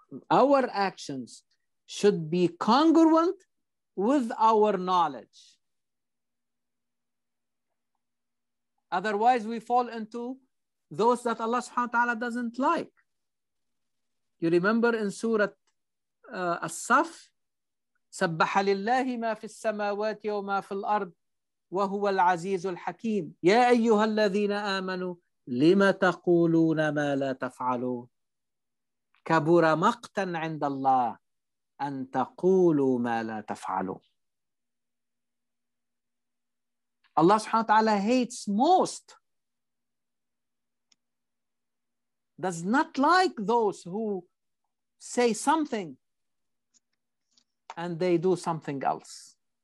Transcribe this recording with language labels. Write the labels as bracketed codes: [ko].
[en] Our actions should be congruent with our knowledge. Otherwise, we fall into those that Allah subhanahu wa ta'ala doesn't like. You remember in Surah As-Saff, [ar] سَبَّحَ لِلَّهِ مَا فِي السَّمَاوَاتِ وَمَا فِي الْأَرْضِ وَهُوَ الْعَزِيزُ الْحَكِيمُ. يَا أَيُّهَا الَّذِينَ آمَنُوا لِمَ تَقُولُونَ مَا لَا تَفْعَلُونَ. كَبُرَ مَقْتًا عِنْدَ اللَّهِ أن تقولوا ما لا تفعلون. [en] Allah subhanahu wa ta'ala hates most, does not like those who say something and they do something else.